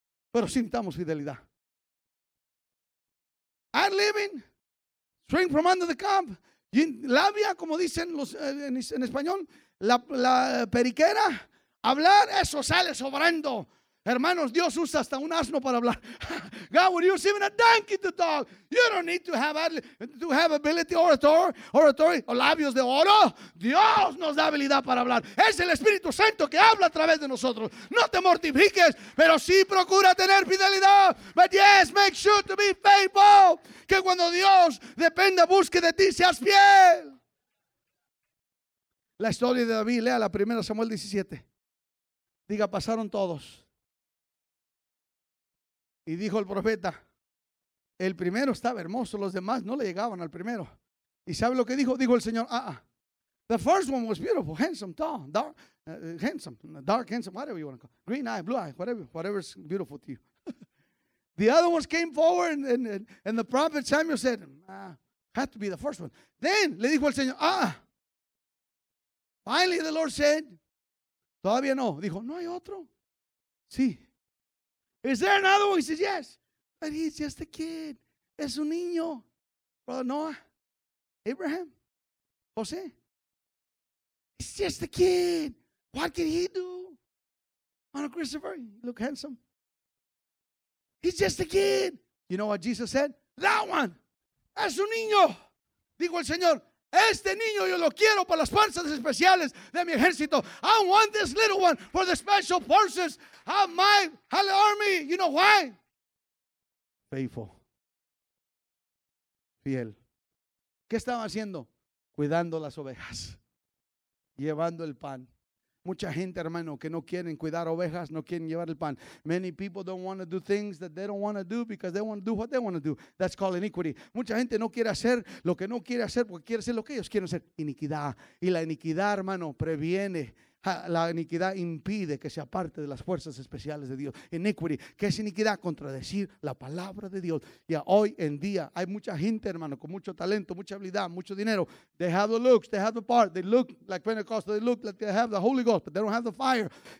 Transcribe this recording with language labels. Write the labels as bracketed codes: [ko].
[es] Pero sí necesitamos fidelidad. Ad living. Swing from under the camp. Labia, como dicen los, en español, la periquera, hablar, eso sale sobrando. Hermanos, Dios usa hasta un asno para hablar. [en] God would use even a donkey to talk. You don't need to have ability, oratory, [es] o labios de oro. Dios nos da habilidad para hablar. Es el Espíritu Santo que habla a través de nosotros. No te mortifiques, pero sí procura tener fidelidad. [en] But yes, make sure to be faithful. [es] Que cuando Dios dependa, busque de ti, seas fiel. La historia de David, lea la primera Samuel 17. Diga, pasaron todos. Y dijo el profeta, el primero estaba hermoso, los demás no le llegaban al primero. ¿Y sabe lo que dijo? Dijo el Señor, [en] The first one was beautiful, handsome, tall, dark, handsome, whatever you want to call it. Green eye, blue eye, whatever's beautiful to you. The other ones came forward and the prophet Samuel said, had to be the first one. [es] Then le dijo el Señor, [en] Finally the Lord said, [es] todavía no. Dijo, ¿no hay otro? Sí. [en] Is there another one? He says, yes. But he's just a kid. [es] Es un niño. [en] Brother Noah. Abraham. Jose. He's just a kid. What can he do? Brother Christopher. Look handsome. He's just a kid. You know what Jesus said? That one. [es] Es un niño. Dijo el Señor. Este niño yo lo quiero para las fuerzas especiales de mi ejército. [en] I want this little one for the special forces of my army. You know why? Faithful. [es] Fiel. ¿Qué estaba haciendo? Cuidando las ovejas. Llevando el pan. Mucha gente, hermano, que no quieren cuidar ovejas, no quieren llevar el pan. [en] Many people don't want to do things that they don't want to do because they want to do what they want to do. That's called iniquity. [es] Mucha gente no quiere hacer lo que no quiere hacer porque quiere hacer lo que ellos quieren hacer. Iniquidad. Y la iniquidad, hermano, previene. La iniquidad impide que sea parte de las fuerzas especiales de Dios. Iniquity. ¿Qué es iniquidad? Contradecir la palabra de Dios. Y hoy en día hay mucha gente, hermano, con mucho talento, mucha habilidad, mucho dinero. [en] They have the looks, they have the part. They look like Pentecost. They look like they have the Holy Ghost, but they don't have the fire.